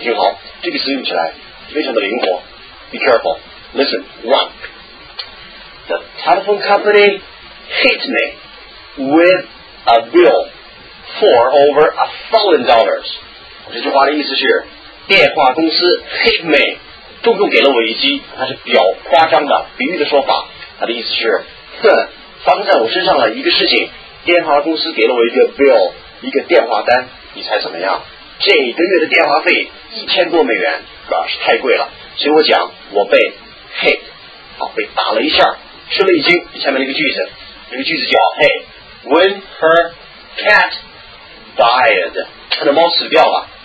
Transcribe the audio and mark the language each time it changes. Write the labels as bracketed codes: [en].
[zh] 好了，我们来看例子，好吗？第一个例子挺好，这个词用起来非常的灵活。 [en] Be careful. Listen. One. The telephone company hit me with a bill for over $1,000. [zh] 这句话的意思是，电话公司 [en] hit me， [zh] 重重给了我一击。它是比较夸张的比喻的说法。它的意思是，哼，发生在我身上的一个事情，电话公司给了我一个 bill， 一个电话单。你猜怎么样？这个月的电话费1000多美元， gosh， 太贵了。所以我讲我被 hit， 被打了一下，吃了一惊。下面那个句子叫 [en] Hey， when her cat died， [zh] 她的猫死掉了。